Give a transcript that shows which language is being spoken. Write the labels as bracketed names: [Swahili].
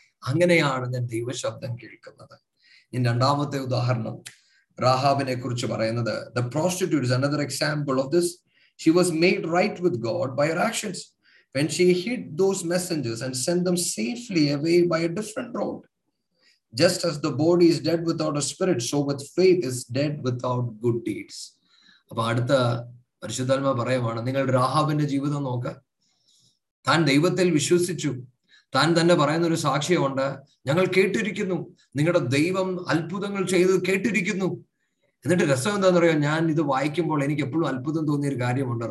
[Malayalam] അങ്ങനെയാണ് ഞാൻ ദൈവശബ്ദം കേൾക്കുന്നത്. ഇനി രണ്ടാമത്തെ ഉദാഹരണം റാഹാബിനെ കുറിച്ച് പറയുന്നത്, [English] The prostitute is another example of this. She was made right with God by her actions when she hid those messengers and send them safely away by a different road. Just as the body is dead without a spirit, so with faith is dead without good deeds. [Malayalam] അപ്പൊ അടുത്ത പരിശുദ്ധാത്മ പറയുവാണ്, നിങ്ങൾ റാഹാബിന്റെ ജീവിതം നോക്ക. താൻ ദൈവത്തിൽ വിശ്വസിച്ചു, താൻ തന്നെ പറയുന്ന ഒരു സാക്ഷ്യമുണ്ട്, ഞങ്ങൾ കേട്ടിരിക്കുന്നു നിങ്ങളുടെ ദൈവം അത്ഭുതങ്ങൾ ചെയ്ത് കേട്ടിരിക്കുന്നു. എന്നിട്ട് രസം എന്താണെന്ന് അറിയാം, ഞാൻ ഇത് വായിക്കുമ്പോൾ എനിക്ക് എപ്പോഴും അത്ഭുതം തോന്നിയ ഒരു കാര്യമുണ്ട്.